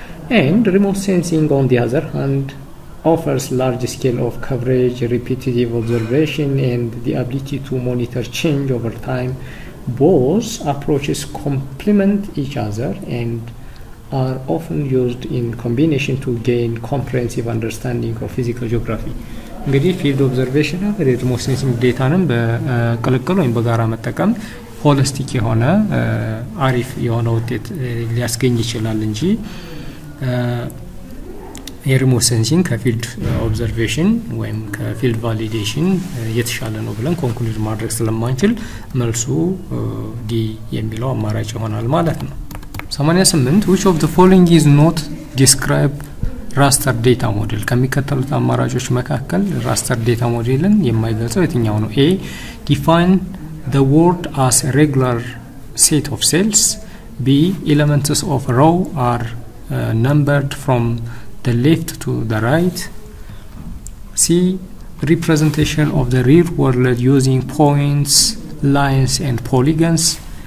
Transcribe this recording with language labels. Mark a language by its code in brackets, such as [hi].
[en] And remote sensing, on the other hand, offers large scale of coverage, repetitive observation, and the ability to monitor change over time. Both approaches complement each other and are often used in combination to gain comprehensive understanding of physical geography. [am] እንግዲህ ፊልድ ኦብዘርቬሽን እና ሪሞት ሴንሲንግ ዴታንም በቀለቀሎ ወይም በጋራ መጠቀም ሆሊስቲክ የሆነ አሪፍ የሆነ ውጤት ሊያስገኝ ይችላል እንጂ የሪሞት ሴንሲንግ ከፊልድ ኦብዘርቬሽን ወይም ከፊልድ ቫሊዴሽን የተሻለ ነው ብለን ኮንክሉድ ማድረግ ስለማንችል መልሱ ዲ የሚለው አማራጭ ይሆናል ማለት ነው። [en] 88 which of the following is not described raster data model [am] ከሚከተሉት አማራጮች መካከል raster data modelን የማይገልጸው የትኛው ነው? [en] A define the word as a regular set of cells. B elements of a row are numbered from the left to the right. C representation of the real world using points, lines and polygons.